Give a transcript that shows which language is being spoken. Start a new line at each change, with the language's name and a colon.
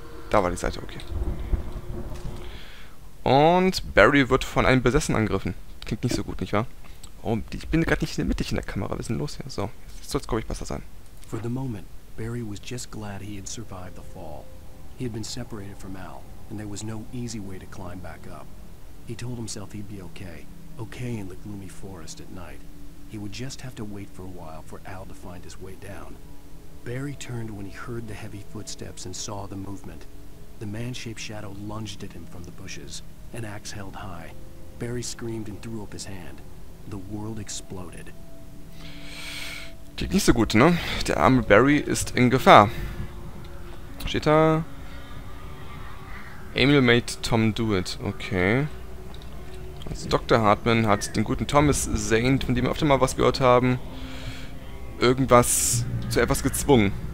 German: Da war die Seite, okay. Und Barry wird von einem Besessen angegriffen. Klingt nicht so gut, nicht wahr? Oh, ich bin gerade nicht mittig in der Kamera. Was ist denn los hier? So, jetzt soll es, glaube ich, besser sein.
English: For the moment, Barry was just glad he had survived the fall. He had been separated from Al, and there was no easy way to climb back up. He told himself he'd be okay. Okay in the gloomy forest at night. He would just have to wait for a while for Al to find his way down. Barry turned when he heard the heavy footsteps and saw the movement. The man-shaped shadow lunged at him from the bushes, an axe held high. Barry screamed and threw up his hand. The world exploded.
German: Geht nicht so gut, ne? Der arme Barry ist in Gefahr. Steht da?
English: Emil made Tom do it.
German: Okay. Also Dr. Hartman hat den guten Thomas Zane, von dem wir öfter mal was gehört haben, irgendwas zu etwas gezwungen.